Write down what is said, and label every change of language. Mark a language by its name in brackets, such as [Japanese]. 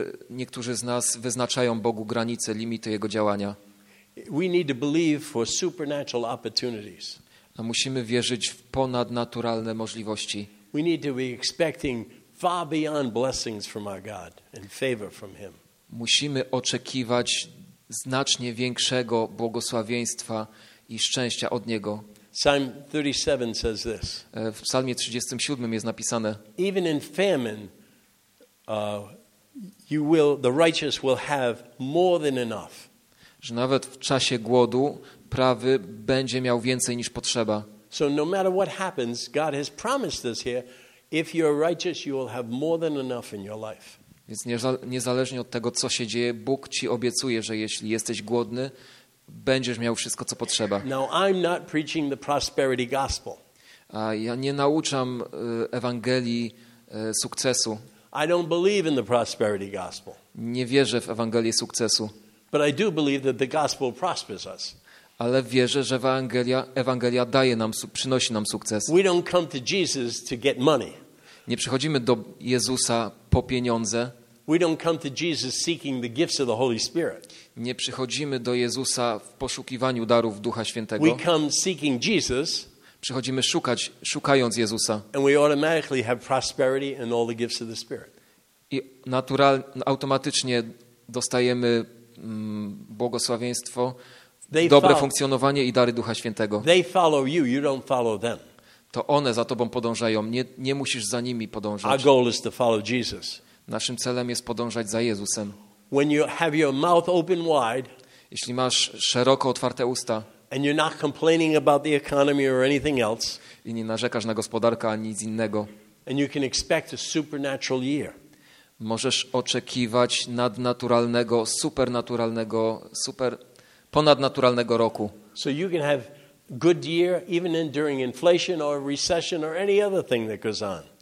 [Polish] Niektórzy z nas wyznaczają Bogu granice, limity jego działania. [English] We need to believe for supernatural opportunities. [Polish] A musimy wierzyć w ponadnaturalne możliwości. [English] We need to be expecting far beyond blessings from our God and favor from him. [Polish] Musimy oczekiwać znacznie większego błogosławieństwa i szczęścia od niego. [English] Psalm 37 says this. [Polish] W Psalmie 37 jest napisane. [English] Even in famine, you will the righteous will have more than enough. [Polish] Że nawet w czasie głodu prawy będzie miał więcej niż potrzeba. [English] So no matter what happens, God has promised us here, if you're righteous, you will have more than enough in your life. [Polish] Więc niezależnie od tego, co się dzieje, Bóg ci obiecuje, że jeśli jesteś głodny, będziesz miał wszystko, co potrzeba. [English] Now, I'm not preaching the prosperity gospel. [Polish] Ja nie nauczam Ewangelii sukcesu. [English] I don't believe in the prosperity gospel. [Polish] Nie wierzę w Ewangelię sukcesu. [English] But I do believe that the gospel prospers us. [Polish] Ale wierzę, że Ewangelia daje nam, przynosi nam sukces. [English] We don't come to Jesus to get money. [Polish] Nie przychodzimy do Jezusa po pieniądze. [English] We don't come to Jesus seeking the gifts of the Holy Spirit. [Polish] Nie przychodzimy do Jezusa w poszukiwaniu darów Ducha Świętego. [English] We come seeking Jesus. [Polish] Przychodzimy szukając Jezusa. [English] And we automatically have prosperity and all the gifts of the Spirit. [Polish] I automatycznie dostajemy błogosławieństwo, dobre funkcjonowanie i dary Ducha Świętego. [English] They follow you, you don't follow them. [Polish] To one za tobą podążają, nie musisz za nimi podążać. [English] Our goal is to follow Jesus. [Polish] Naszym celem jest podążać za Jezusem. [English] When you have your mouth open wide, [Polish] jeśli masz szeroko otwarte usta [English] and you're not complaining about the economy or anything else, [Polish] i nie narzekasz na gospodarkę ani nic innego, [English] and you can expect a supernatural year. [Polish] Możesz oczekiwać nadnaturalnego, supernaturalnego, ponadnaturalnego roku. [English] So you can have good year even during inflation or recession or any other thing that goes on.